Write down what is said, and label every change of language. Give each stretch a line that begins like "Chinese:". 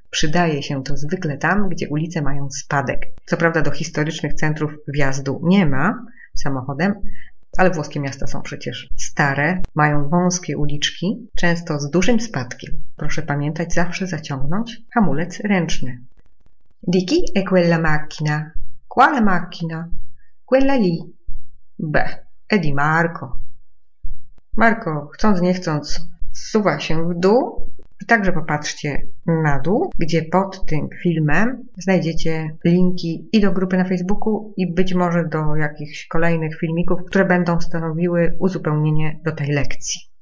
Polish: Przydaje się to zwykle tam, gdzie ulice mają spadek. Co prawda do historycznych centrów wjazdu nie ma samochodem, ale włoskie miasta są przecież stare, mają wąskie uliczki, często z dużym spadkiem. Proszę pamiętać, zawsze zaciągnąć hamulec ręczny.
Italian: Di chi è quella macchina? Quale macchina? Quella lì. Beh, è di Marco.
Polish: Marco, chcąc nie chcąc, zsuwa się w dół Także popatrzcie na dół, gdzie pod tym filmem znajdziecie linki i do grupy na Facebooku, i być może do jakichś kolejnych filmików, które będą stanowiły uzupełnienie do tej lekcji.